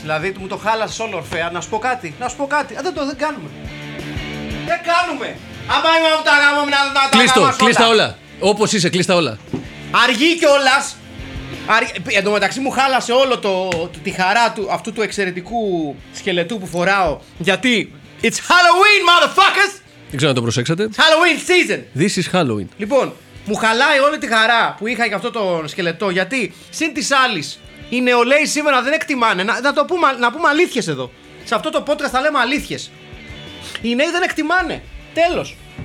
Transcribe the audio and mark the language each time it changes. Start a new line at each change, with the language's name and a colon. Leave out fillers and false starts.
Greek: Δηλαδή μου το χάλασες όλο Ορφέα. Να σου πω κάτι. Δεν κάνουμε. Δεν κάνουμε. Άμα είμαι από τα γάμω, μην αδεν τα γάμω. Κλείστα όλα. Όπως είσαι, κλείστα όλα. Αργή κιόλας. Εν τω μεταξύ μου χάλασε όλο τη χαρά του, αυτού του εξαιρετικού σκελετού που φοράω. Γιατί
English: it's Halloween, motherfuckers!
Greek: Δεν ξέρω να το προσέξατε.
English: It's Halloween season! This is Halloween.
Greek: Λοιπόν, μου χαλάει όλη τη χαρά που είχα για αυτό το σκελετό. Γιατί συν τη άλλη, οι νεολαίοι σήμερα δεν εκτιμάνε. Να πούμε αλήθειες εδώ. Σε αυτό το podcast θα λέμε αλήθειες. Οι νέοι δεν εκτιμάνε. Τέλος.